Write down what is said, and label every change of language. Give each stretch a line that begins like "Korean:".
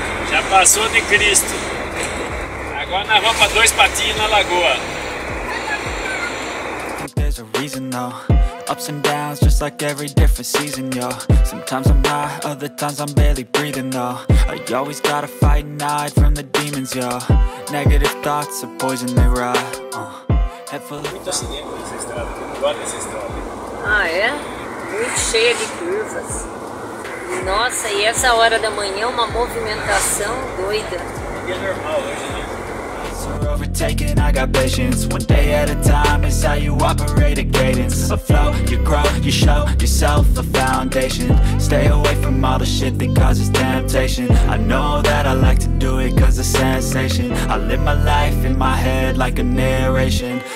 Portuguese: Já passou de Cristo. Agora na roupa dois patinhos na lagoa.
English: There's a reason though. Ups and downs, just like every different season, yo. Sometimes I'm high, other times I'm barely breathing, though. I always gotta fight and hide from the demons, yo. Negative thoughts are poison, they rot. Head full of...
Portuguese: Muito acidente nessa estrada, eu gosto dessa estrada. Ah, é? Muito cheia de curvas. Nossa, e essa hora da manhã, uma movimentação doida. É normal hoje, né?
English: Overtaking, I got patience. One day at a time, it's how you operate a cadence. A flow, you grow, you show yourself a foundation. Stay away from all the shit that causes temptation. I know that I like to do it cause it's sensation. I live my life in my head like a narration.